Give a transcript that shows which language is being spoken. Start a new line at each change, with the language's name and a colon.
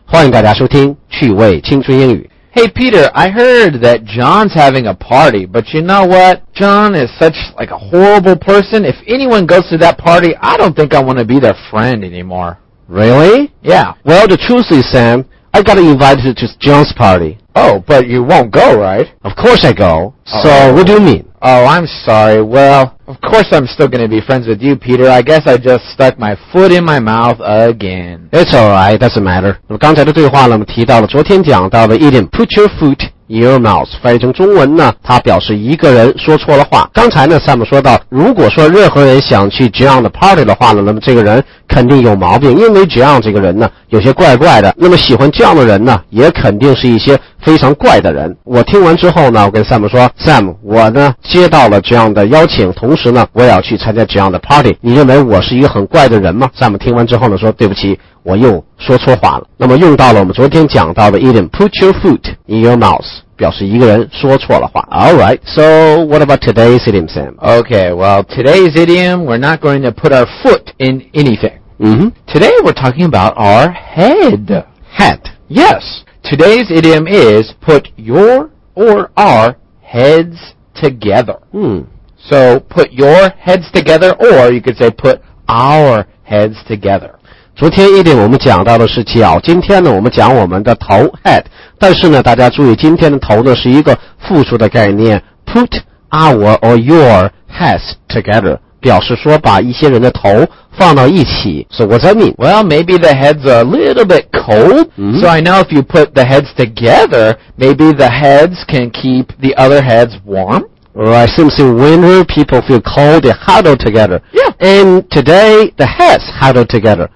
Chinese: 欢迎大家收听趣味青春英语。
English: Hey, Peter, I heard that John's having a party, but you know what? John is such like a horrible person. If anyone goes to that party, I don't think I want to be their friend anymore. Really? Yeah. Well, the truth is, Sam, I got invited to John's party. Oh, but you won't go, right? Of course I go. So, what do you mean? Oh, I'm sorry. Well, of course I'm still going to be friends with you, Peter. I guess I just stuck my foot in my mouth again. It's alright, doesn't matter.
Chinese: 那么刚才的对话呢，我们提到了昨天讲到的一点
English: put your foot in your mouth.
Chinese: 翻译成中文呢，它表示一个人说错了话。刚才呢，Sam说到，如果说任何人想去 John 的 party 的话呢，那么这个人肯定有毛病，因为 John 这个人呢，有些怪怪的。那么喜欢 John 的人呢，也肯定是一些非常怪的人。我听完之后呢，我跟 Sam 说， Sam， 我呢接到了这样的邀请，同时呢我也要去参加这样的 party， 你认为我是一个很怪的人吗？ Sam 听完之后呢说，对不起，我又说错话了。那么用到了我们昨天讲到的 Eden，
English: put your foot in your mouth，
Chinese: 表示一个人说错了话。
English: Alright, so what about today's idiom, Sam? Okay, well, today's idiom, we're not going to put our foot in anything. Today we're talking about our head. Head. Yes. Today's idiom is put your or our heads together. So put your heads together, or you could say put our heads together.
Chinese: 昨天一点我们讲到的是脚，今天呢我们讲我们的头 head， 但是呢大家注意，今天的头呢是一个复数的概念，
English: put our or your heads together，
Chinese: 表示说把一些人的头放到一起。
English: So what's that mean? Well, maybe the heads are a little bit cold. So I know if you put the heads together, maybe the heads can keep the other heads warm. Right, since in winter, people feel cold, they huddle together. Yeah. And today, the heads huddle together.